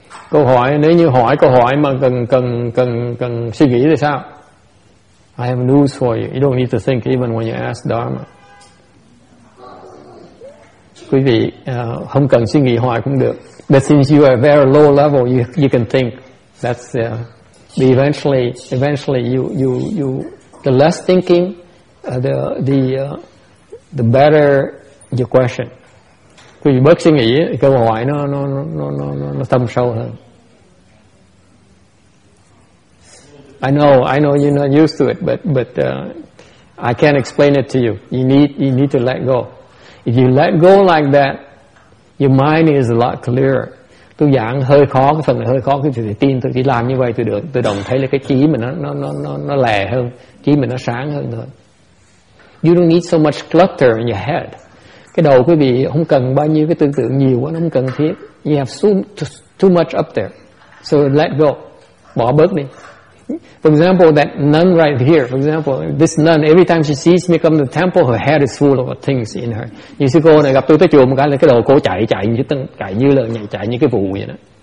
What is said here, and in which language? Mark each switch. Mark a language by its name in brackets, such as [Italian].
[Vietnamese] Câu hỏi, nếu như hỏi câu hỏi mà cần suy nghĩ thì sao? [English] I have news for you. You don't need to think even when you ask Dharma. [Vietnamese] Quý vị không cần suy nghĩ hỏi cũng được. [English] But since you are very low level, you can think. That's eventually you the less thinking, the better your question. [Vietnamese] Quý vị bớt suy nghĩ, câu hỏi nó thâm sâu hơn. [English] I know you're not used to it, but I can't explain it to you. You need to let go. If you let go like that, your mind is a lot clearer. [Vietnamese] Tôi giảng hơi khó, cái phần này hơi khó, cái thì tin tôi chỉ làm như vậy tôi được. Tôi đồng thấy là cái trí mình nó lẻ hơn, trí mình nó sáng hơn thôi. [English] You don't need so much clutter in your head. [Vietnamese] Cái đầu quý vị không cần bao nhiêu cái tư tưởng nhiều quá, nó không cần thiết. [English] You have too much up there. So let go, [Vietnamese] bỏ bớt đi. [English] For example, that nun right here, for example, this nun, every time she sees me come to the temple, her head is full of things in her. [Vietnamese] Như sư cô này gặp tôi tới chùa một cái là cái đầu cô chạy như cái vụ vậy đó.